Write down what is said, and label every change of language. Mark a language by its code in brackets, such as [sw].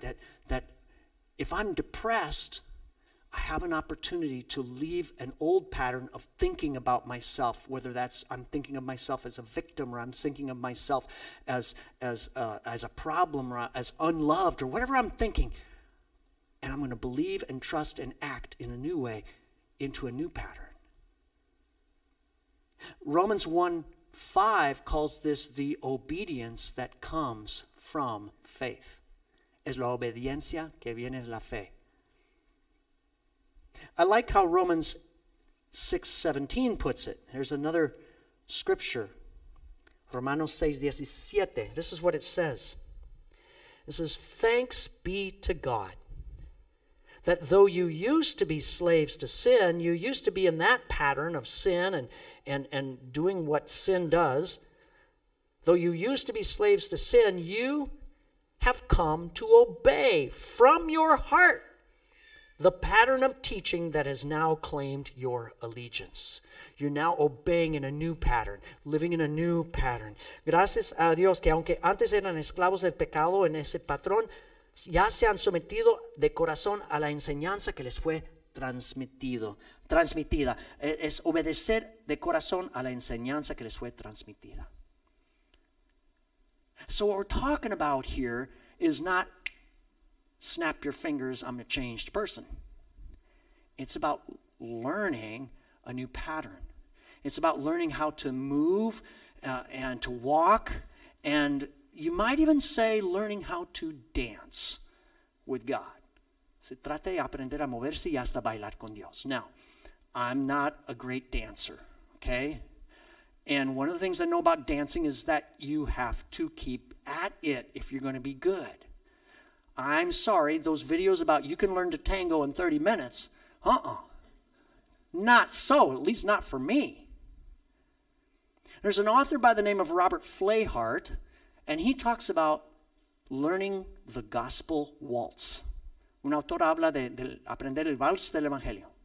[en] That if I'm depressed, I have an opportunity to leave an old pattern of thinking about myself, whether that's I'm thinking of myself as a victim or I'm thinking of myself as a problem or as unloved or whatever I'm thinking. And I'm going to believe and trust and act in a new way into a new pattern. Romans 1:5 calls this the obedience that comes from faith. [es] Es la obediencia que viene de la fe. [en] I like how Romans 6:17 puts it. Here's another scripture. Romanos 6:17. This is what it says. It says, thanks be to God that though you used to be slaves to sin, you used to be in that pattern of sin and doing what sin does. Though you used to be slaves to sin, you have come to obey from your heart the pattern of teaching that has now claimed your allegiance. You're now obeying in a new pattern, living in a new pattern. [es] Gracias a Dios que aunque antes eran esclavos del pecado en ese patrón, ya se han sometido de corazón a la enseñanza que les fue transmitido, transmitida. Es obedecer de corazón a la enseñanza que les fue transmitida. [en] So what we're talking about here is not snap your fingers, I'm a changed person. It's about learning a new pattern. It's about learning how to move and to walk, and you might even say learning how to dance with God. [es] Se trata de aprender a moverse y hasta bailar con Dios. [en] Now, I'm not a great dancer, okay? And one of the things I know about dancing is that you have to keep at it if you're going to be good. I'm sorry, those videos about you can learn to tango in 30 minutes, Not so, at least not for me. There's an author by the name of Robert Flahart, and he talks about learning the gospel waltz. [es] Un autor habla de aprender el vals del evangelio.